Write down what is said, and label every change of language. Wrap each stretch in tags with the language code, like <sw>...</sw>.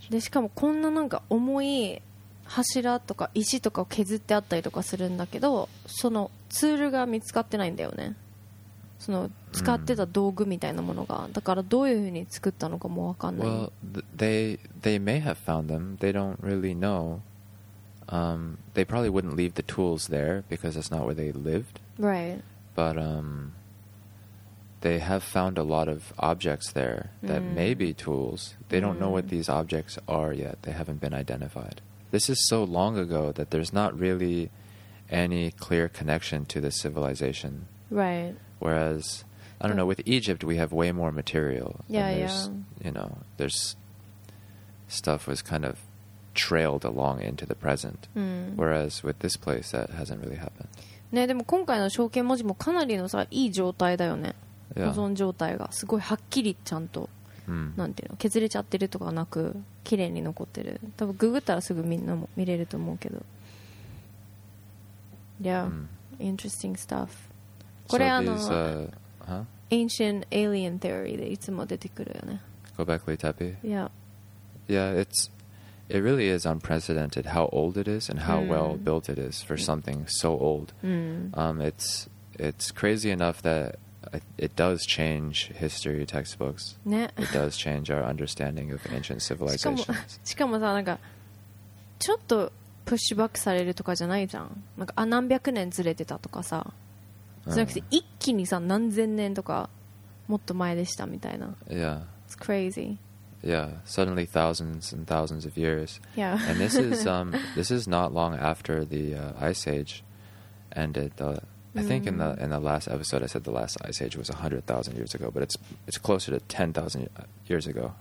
<ja>で、しかもこんななんか重い柱とか石とかを削ってあったりとかするんだけど、そのツールが見つかってないんだよね。その使ってた道具みたいなものが、だからどういうふうに作ったのかもわかんない。</ja> <en>Well, they may have found them. They don't really know. They probably wouldn't leave the tools there because that's not where they lived. Right. But they have found a lot of objects there that may be tools. They don't know what these objects are yet. They haven't been identified. This is so long ago that there's not really any clear connection to the civilization. Right. Whereas, I don't know, with Egypt, we have way more material. Yeah, yeah. You know, there's stuff was kind of trailed along into the present. Mm. Whereas with this place, that hasn't really happened.</en> <ja>ね、でも今回の象形文字もかなりのさいい状態だよね、</ja> <en>yeah.</en> <ja>保存状態がすごいはっきりちゃんと、</ja> <en>mm.</en> <ja>なんていうの削れちゃってるとかなく綺麗に残ってる多分ググったらすぐみんなも見れると思うけど Yeah、mm.</ja> <en>interesting stuff</en> <ja>これ、</ja> <en>so、</en> <ja>あの</ja> <en>these,、huh? ancient alien theory</en> <ja>でいつも出てくるよね</ja> <en>Go back to Tappy Yeah Yeah it'sIt really is unprecedented how old it is and how mm. well built it is for something so old. Mm. It's crazy enough that it does change history textbooks.</en> <ja>ね。</ja> <en>It does change our understanding of ancient civilizations.</en> <ja>しかもさ、なんかちょっとプッシュバックされるとかじゃないじゃん。なんかあ何百年ずれてたとかさ。じゃなくて一気にさ何千年とかもっと前でしたみたいな。</ja> <en>Yeah. It's crazy. Yeah, suddenly thousands and thousands of years. Yeah. And this is not long after the Ice Age ended. I think in the last episode I said the last Ice Age was 100,000 years ago, but it's closer to 10,000 years ago.</en>